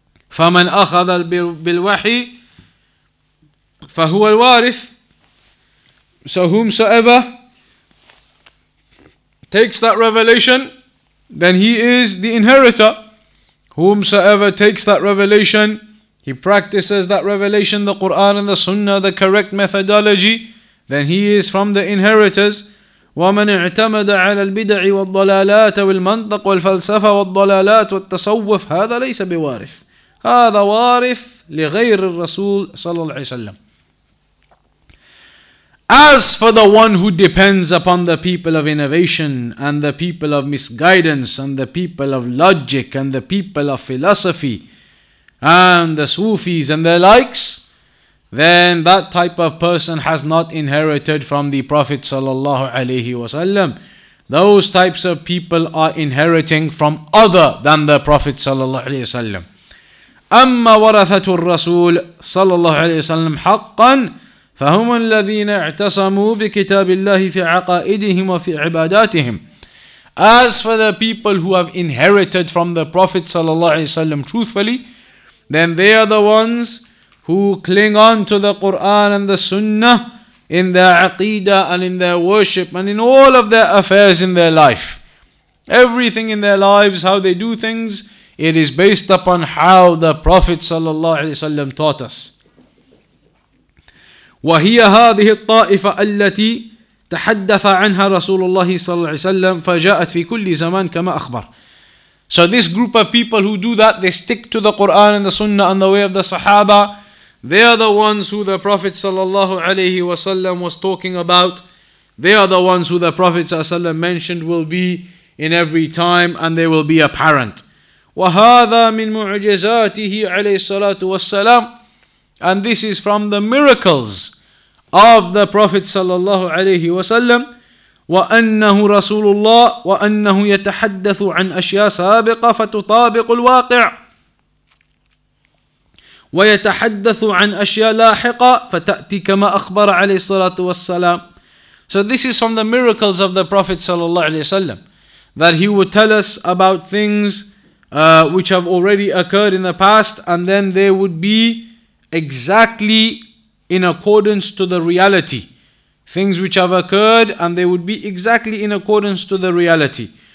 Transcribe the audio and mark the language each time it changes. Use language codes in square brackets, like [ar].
[ar] فَمَنْ أَخَذَ بِالْوَحِي فَهُوَ الْوَارِثِ [en] So whomsoever takes that revelation, then he is the inheritor. Whomsoever takes that revelation, he practices that revelation, the Quran and the Sunnah, the correct methodology, then he is from the inheritors. [ar] ومن اعتمد على البدع والضلالات والمنطق والفلسفة والضلالات والتصوف هذا ليس بوارث هذا وارث لغير الرسول صلى الله عليه وسلم. [en] As for the one who depends upon the people of innovation and the people of misguidance and the people of logic and the people of philosophy and the Sufis and their likes, then that type of person has not inherited from the Prophet sallallahu alaihi wasallam. Those types of people are inheriting from other than the Prophet sallallahu alaihi wasallam. [ar] أما ورثة الرسول صلى الله عليه وسلم حقا فهم الذين اعتصموا بكتاب الله في عقائدهم وفي عباداتهم. [en] As for the people who have inherited from the Prophet صلى الله عليه وسلم truthfully, then they are the ones who cling on to the Quran and the Sunnah in their aqeedah and in their worship and in all of their affairs in their life. Everything in their lives, how they do things, it is based upon how the Prophet sallallahu alaihi wasallam taught us. [ar] وهي هذه الطائفة التي تحدث عنها رسول الله صلى الله عليه وسلم فجاءت في كل زمان كما أخبر. [en] So this group of people who do that, they stick to the Quran and the Sunnah and the way of the Sahaba. They are the ones who the Prophet sallallahu alaihi wasallam was talking about. They are the ones who the Prophet sallallahu alaihi wasallam mentioned will be in every time, and they will be apparent. [ar] وهذا من معجزاته عليه الصلاة والسلام. [en] And this is from the miracles of the Prophet sallallahu alaihi wasallam. [ar] وأنه رسول الله وأنه يتحدث عن أشياء سابقة فتطابق الواقع ويتحدث عن أشياء لاحقة فتأتي كما أخبر عليه الصلاة والسلام. [en] So this is from the miracles of the Prophet sallallahu alaihi wasallam, that he would tell us about things which have already occurred in the past, and then they would be exactly in accordance to the reality. Things which have occurred, and they would be exactly in accordance to the reality.